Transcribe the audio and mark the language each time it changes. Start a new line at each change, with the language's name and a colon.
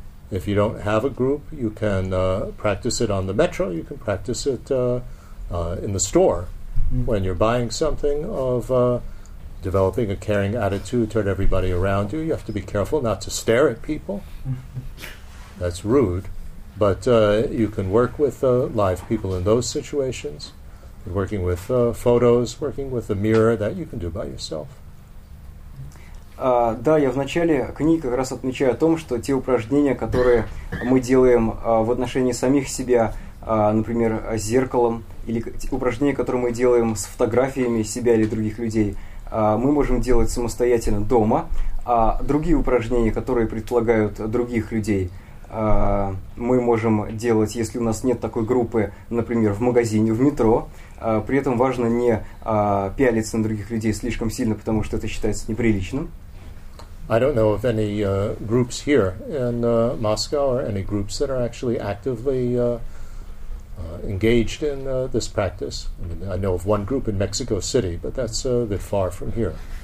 English: If you don't have a group, you can practice it on the metro, you can practice it in the store when you're buying something of developing a caring attitude toward everybody around you. You have to be careful not to stare at people. That's rude. But you can work with live people in those situations. And working with photos, working with a mirror, that you can do by yourself.
Russian: Да, я в начале книги как раз отмечаю о том, что те упражнения, которые мы делаем в отношении самих себя, например, с зеркалом, или упражнения, которые мы делаем с фотографиями себя или других людей, мы можем делать самостоятельно дома, а другие упражнения, которые предполагают других людей, мы можем делать, если у нас нет такой группы, например, в магазине, в метро. При этом важно не пялиться на других людей слишком сильно, потому что это считается неприличным.
English: I don't know of any groups here in Moscow or any groups that are actually actively engaged in this practice. I mean, I know of one group in Mexico City, but that's a bit far from here.